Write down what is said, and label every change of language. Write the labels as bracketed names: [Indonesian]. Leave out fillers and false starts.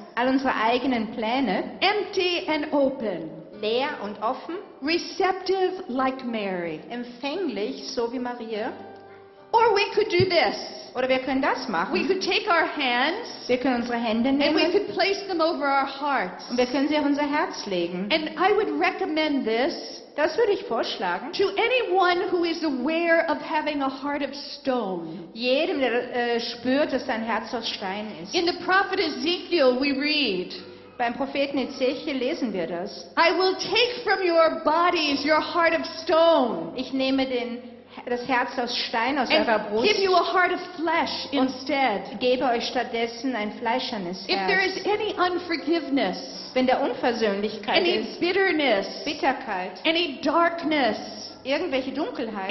[German] all unsere eigenen Pläne, [English] empty and open, [German] leer und offen, [English] receptive like Mary, [German] empfänglich so wie Maria. [English] Or we could do this. [German] Oder wir können das machen. [English] We could take our hands. [German] Wir können unsere Hände nehmen. [English] And we could place them over our hearts. [German] Und wir können sie auf unser Herz legen. [English] And I would recommend this. [German] Das würde ich vorschlagen. [English] To anyone who is aware of having a heart of stone. [German] Jedem, der spürt, dass sein Herz aus Stein ist. [English] In the prophet Ezekiel we read. [German] Beim Propheten Ezechiel lesen wir das. [English] I will take from your bodies your heart of stone. [German] Ich nehme den das Herz aus Stein aus eurer Brust. [English] Give you a heart of flesh instead. [German] Und gebe euch stattdessen ein fleischernes Herz. [English] If there is any unforgiveness, [German] wenn der Unversöhnlichkeit [English] any [German] ist, [English] bitterness, [German] Bitterkeit, [English] any darkness, [German] irgendwelche Dunkelheit